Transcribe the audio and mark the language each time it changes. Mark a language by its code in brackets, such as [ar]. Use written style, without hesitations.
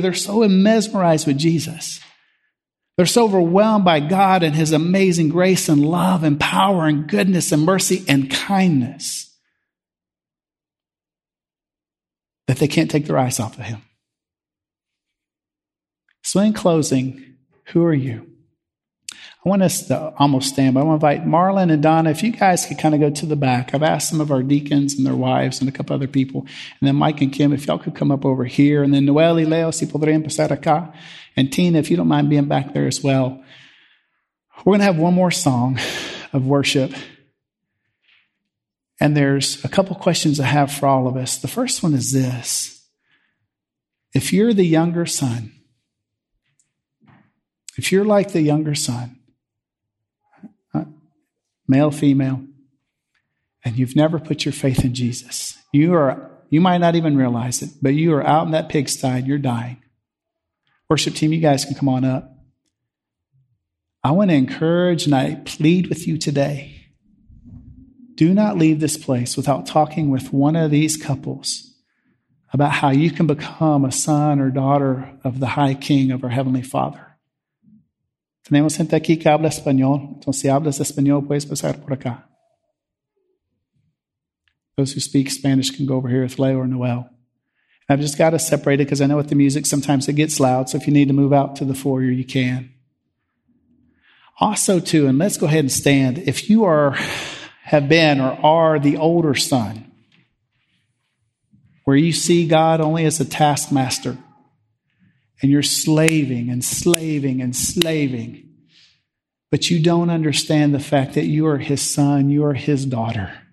[en] They're so mesmerized with Jesus. They're so overwhelmed by God and his amazing grace and love and power and goodness and mercy and kindness that they can't take their eyes off of him. So in closing, who are you? I want us to almost stand, but I want to invite Marlon and Donna, if you guys could kind of go to the back. I've asked some of our deacons and their wives and a couple other people. And then Mike and Kim, if y'all could come up over here. And then [es] Noel y Leo, si podrían pasar acá. [en] And Tina, if you don't mind being back there as well. We're going to have one more song of worship. And there's a couple questions I have for all of us. The first one is this. If you're the younger son, if you're like the younger son, male, female, and you've never put your faith in Jesus, you might not even realize it, but you are out in that pigsty and you're dying. Worship team, you guys can come on up. I want to encourage and I plead with you today. Do not leave this place without talking with one of these couples about how you can become a son or daughter of the High King of our Heavenly Father. [es] Tenemos gente aquí que habla español. Entonces, si hablas español, puedes pasar por acá. [en] Those who speak Spanish can go over here with Leo or Noel. And I've just got to separate it because I know with the music, sometimes it gets loud. So if you need to move out to the foyer, you can. Also, too, and let's go ahead and stand. If you have been or are the older son, where you see God only as a taskmaster, and you're slaving and slaving and slaving, but you don't understand the fact that you are his son, you are his daughter.